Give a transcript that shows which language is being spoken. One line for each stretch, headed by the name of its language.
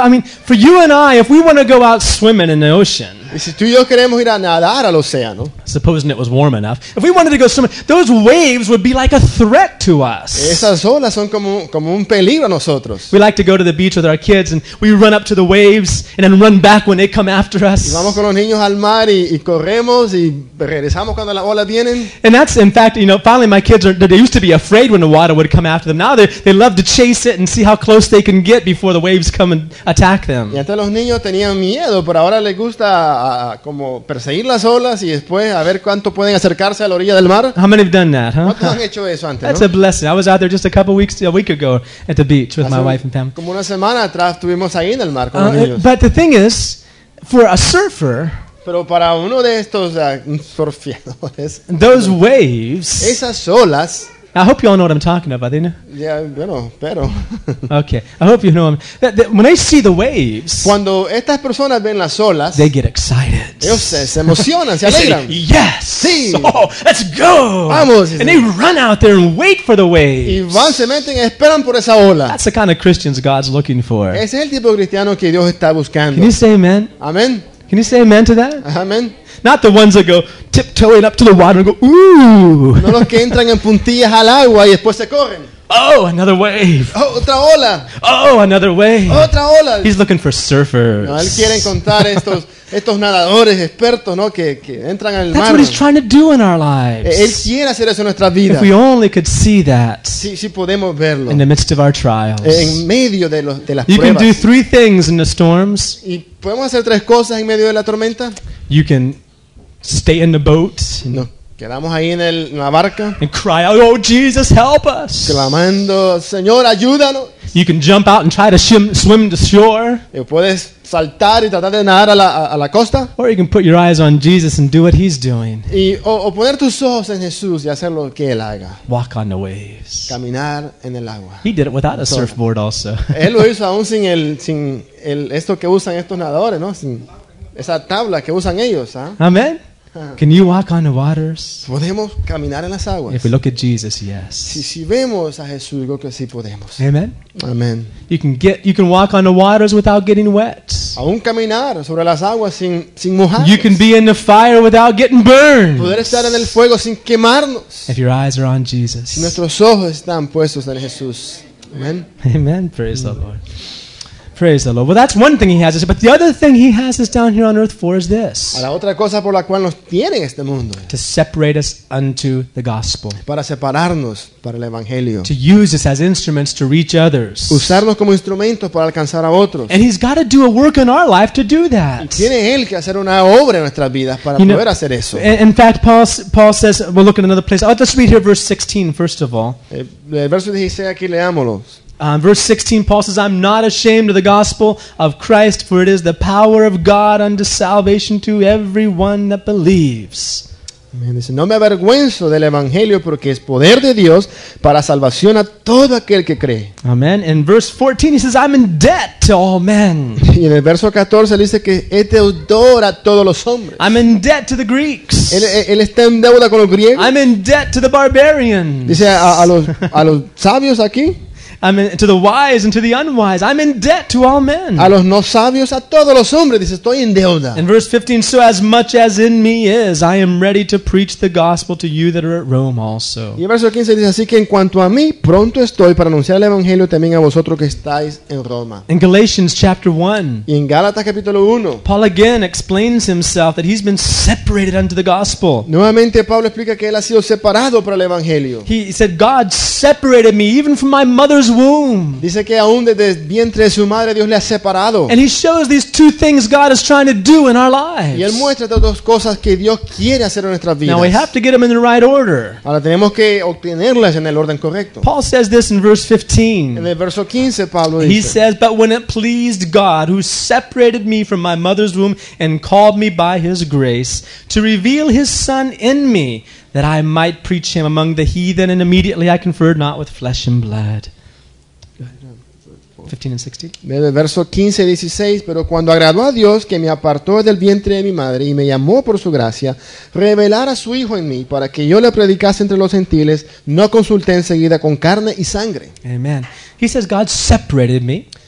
English: I mean, for you and I, if we want to go out swimming in the ocean.
Spanish: Y si tú y yo queremos ir a nadar al océano.
English: Supposing it was warm enough. If we wanted to go swimming, those waves would be like a threat to us.
Spanish: Esas olas son como un peligro a nosotros.
English: We like to go to the beach with our kids and we run up to the waves and then run back when they come after us.
Spanish: Y vamos con los niños al mar y corremos y regresamos cuando las olas vienen.
English: And that's, in fact, you know, finally my kids they used to be afraid when the water would come after them. Now they love to chase it and see how close they can get before the waves come and attack them.
Spanish: Y antes los niños tenían miedo, pero ahora les gusta como perseguir las olas y después a ver cuánto pueden acercarse a la orilla del mar.
English: How many have done that, huh?
Spanish: ¿Cuántos han hecho eso antes?
English: That's a blessing. I was out there just a couple weeks, a week ago at the beach with my wife and family.
Spanish: Como una semana atrás estuvimos ahí en el mar con los niños.
English: But the thing is, for a surfer,
Spanish: pero para uno de estos surfeadores,
English: those waves,
Spanish: esas olas.
English: I hope you all know what I'm talking about, didn't you?
Spanish: Yeah, bueno, pero.
English: Okay, I hope you know him. When I see the waves,
Spanish: cuando estas personas ven las olas,
English: they get excited.
Spanish: Ellos se emocionan, se alegran.
English: Say, yes,
Spanish: sí.
English: Oh, let's go.
Spanish: Vamos.
English: And they run out there and wait for the waves.
Spanish: Y van, se meten, esperan por esa ola.
English: That's the kind of Christians God's looking for.
Spanish: Ese es el tipo de cristiano que Dios está buscando.
English: Can you say amen?
Spanish: Amen.
English: Can you say amen to that?
Spanish: Amen.
English: Not the ones that go tiptoeing up to the water and go, ooh.
Spanish: No los que entran en puntillas al agua y después se corren.
English: Oh, another wave.
Spanish: Oh, otra ola.
English: Oh, another wave.
Spanish: Otra ola.
English: He's looking for surfers.
Spanish: No, él quiere encontrar estos nadadores expertos, ¿no? Que entran al mar.
English: That's what he's trying to do in our lives.
Spanish: Él quiere hacer eso en nuestra vida.
English: If we only could see that.
Spanish: Si podemos verlo.
English: In the midst of our trials.
Spanish: En medio de las pruebas.
English: You can do three things in the storms.
Spanish: Y podemos hacer tres cosas en medio de la tormenta.
English: You can stay in the boat.
Spanish: No. Quedamos ahí en la barca.
English: And cry out, oh Jesus, help us.
Spanish: Clamando, Señor, ayúdanos.
English: You can jump out and try to swim to shore.
Spanish: Puedes saltar y tratar de nadar a la costa.
English: Or you can put your eyes on Jesus and do what he's doing.
Spanish: O poner tus ojos en Jesús y hacer lo que él haga.
English: Walk on the waves.
Spanish: Caminar en el agua.
English: He did it without a surfboard also.
Spanish: Él lo hizo aún sin el esto que usan estos nadadores, ¿no? Sin esa tabla que usan ellos, ¿ah? ¿Eh?
English: Amén. Can you walk on the waters?
Spanish: Podemos caminar en las aguas.
English: If we look at Jesus, yes.
Spanish: Si vemos a Jesús, creo que sí podemos.
English: Amen.
Spanish: Amen.
English: You can walk on the waters without getting wet.
Spanish: Aún caminar sobre las aguas sin mojar.
English: You can be in the fire without getting burned.
Spanish: Poder estar en el fuego sin quemarnos.
English: If your eyes are on Jesus.
Spanish: Si nuestros ojos están puestos en Jesús. Amen.
English: Amen. Praise the Lord. Praise the Lord. Well, that's one thing he has us, but the other thing he has us down here on earth for is this.
Spanish: La otra cosa por la cual nos tiene en este mundo.
English: To separate us unto the gospel.
Spanish: Para separarnos para el evangelio.
English: To use us as instruments to reach others.
Spanish: Usarnos como instrumentos para alcanzar a otros.
English: And he's got to do a work in our life to do that.
Spanish: Y tiene él que hacer una obra en nuestras vidas para poder hacer eso.
English: In fact, Paul says, we'll look at another place. I'll just read here verse 16 first of all.
Spanish: El verso 16 aquí leámoslo.
English: Verse 16, Paul says, I'm not ashamed of the gospel of Christ, for it is the power of God unto salvation to everyone that believes. Amen.
Spanish: Dice, no me avergüenzo del evangelio porque es poder de Dios para salvación a todo aquel que cree. Amen.
English: In verse 14, he says, I'm in debt to all men.
Spanish: Y en el verso 14, él dice que es deudor a todos los hombres.
English: I'm in debt to the Greeks.
Spanish: Él está en deuda con los griegos.
English: I'm in debt to the barbarians.
Spanish: Dice, a los sabios aquí.
English: I'm in, to the wise and to the unwise. I'm in debt to all men.
Spanish: A los no sabios, a todos los hombres, dice, estoy en deuda.
English: In verse 15, so as much as in me is, I am ready to preach the gospel to you that are at Rome also.
Spanish: Y el verso 15 dice, así que en cuanto a mí, pronto estoy para anunciar el evangelio también a vosotros que estáis en Roma.
English: In Galatians chapter 1.
Spanish: Y en Gálatas capítulo 1.
English: Paul again explains himself that he's been separated unto the gospel.
Spanish: Nuevamente Pablo explica que él ha sido separado para el evangelio.
English: He said, God separated me even from my mother's womb.
Spanish: Dice que aún desde el vientre de su madre Dios le ha separado.
English: And he shows these two things God is trying to do in our lives.
Spanish: Y él muestra estas dos cosas que Dios quiere hacer en nuestras vidas.
English: Now we have to get them in the right order.
Spanish: Ahora tenemos que obtenerlas en el orden correcto.
English: Paul says this in verse 15.
Spanish: En el verso 15 Pablo dice.
English: He says, but when it pleased God who separated me from my mother's womb and called me by his grace to reveal his son in me that I might preach him among the heathen and immediately I conferred not with flesh and blood. 15 and
Spanish: 16. Verso 15 y 16. Pero cuando agradó a Dios que me apartó del vientre de mi madre y me llamó por su gracia, revelar a su hijo en mí para que yo le predicase entre los gentiles, no consulté enseguida con carne y sangre.
English: Amen. He says God separated me.